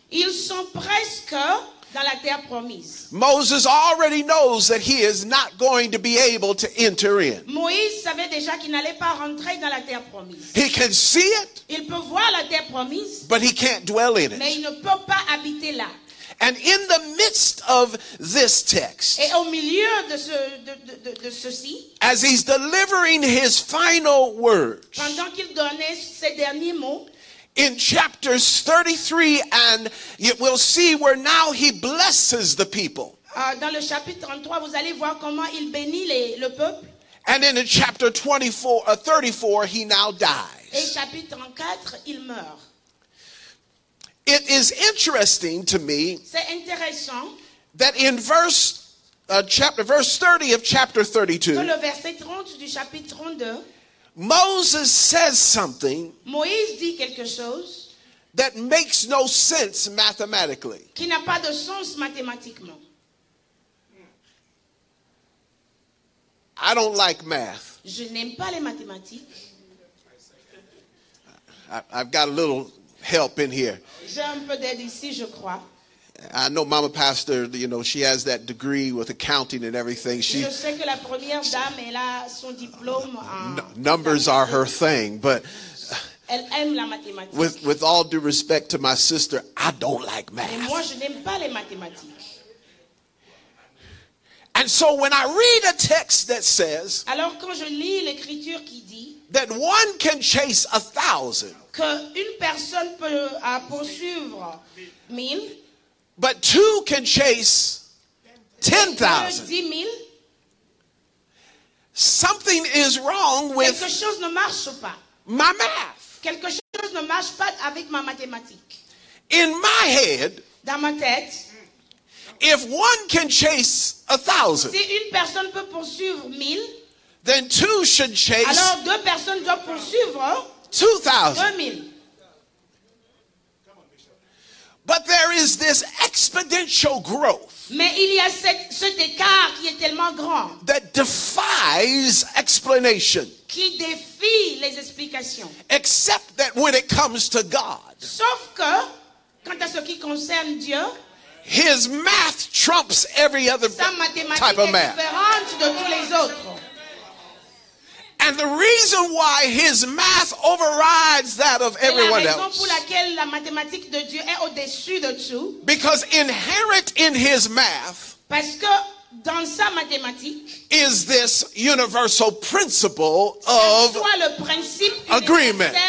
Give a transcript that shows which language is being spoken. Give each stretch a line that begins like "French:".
French: Ils sont presque dans la terre promise.
English: Moses already knows that he is not going to be able to enter in.
French: Moïse savait déjà qu'il n'allait pas rentrer dans la terre promise.
English: He can see it.
French: Il peut voir la terre promise.
English: But he can't dwell in it.
French: Mais il ne peut pas habiter là.
English: And in the midst of this text,
French: et au milieu de ce, de ceci,
English: as he's delivering his final words,
French: pendant qu'il donnait ses derniers mots,
English: in chapters 33, and we'll see where now he blesses the people.
French: Dans le chapitre 33, vous allez voir comment il bénit le peuple.
English: And in chapter 34, he now dies.
French: Et chapitre 34, il meurt.
English: It is interesting to me,
French: c'est intéressant,
English: that in verse 30 of chapter 32,
French: dans le verset 30 du chapitre 32,
English: Moses says something,
French: Moïse dit quelque chose,
English: that makes no sense mathematically.
French: Qui n'a pas de sens mathématiquement.
English: I don't like math.
French: Je n'aime pas les mathématiques.
English: I've got a little help in here.
French: J'ai un peu d'aide ici, je crois.
English: I know Mama Pastor, you know, she has that degree with accounting and everything. She,
French: je sais que la première dame, elle a son diplôme en
English: numbers are her thing, but
French: elle aime la mathématique.
English: With all due respect to my sister, I don't like math.
French: Et moi, je n'aime pas les mathématiques.
English: And so when I read a text that says,
French: alors quand je lis l'écriture qui dit,
English: that one can chase 1,000.
French: Que une personne peut poursuivre 1,000.
English: But two can chase 10,000.
French: 10,000.
English: Something is wrong with
French: quelque chose ne marche pas.
English: My math.
French: Quelque chose ne marche pas avec ma mathématique.
English: In my head,
French: dans ma tête,
English: if one can chase 1,000,
French: si une personne peut poursuivre 1,000,
English: then two should chase.
French: Alors deux personnes doivent poursuivre 2,000.
English: But there is this exponential growth.
French: Mais il y a cet écart qui est tellement grand.
English: That defies explanation.
French: Qui défie les explications.
English: Except that when it comes to God.
French: Sauf que quant à ce qui concerne Dieu,
English: his math trumps every other type of math.
French: Sa mathématique est différente de tous les autres.
English: And the reason why his math overrides that of everyone else.
French: La raison pour laquelle la mathématique de Dieu est au-dessus de tout.
English: Because inherent in his math.
French: Parce que dans sa mathématique.
English: Is this universal principle of agreement.